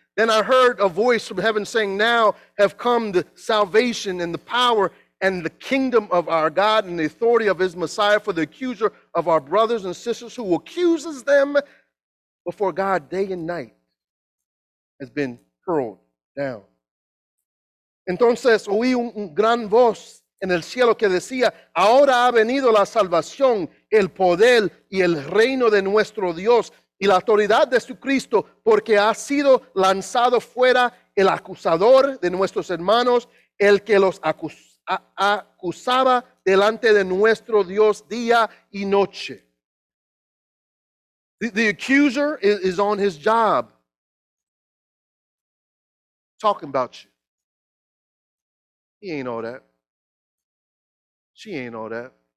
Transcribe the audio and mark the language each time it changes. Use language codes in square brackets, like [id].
[en] Then I heard a voice from heaven saying, now have come the salvation and the power and the kingdom of our God and the authority of his Messiah, for the accuser of our brothers and sisters who accuses them before God day and night has been hurled down. [es] Entonces oí un gran voz en el cielo que decía, ahora ha venido la salvación, el poder y el reino de nuestro Dios y la autoridad de su Cristo, porque ha sido lanzado fuera el acusador de nuestros hermanos, el que los acusaba delante de nuestro Dios día y noche. [en] The accuser is on his job, talking about you. He ain't all that. She ain't all that.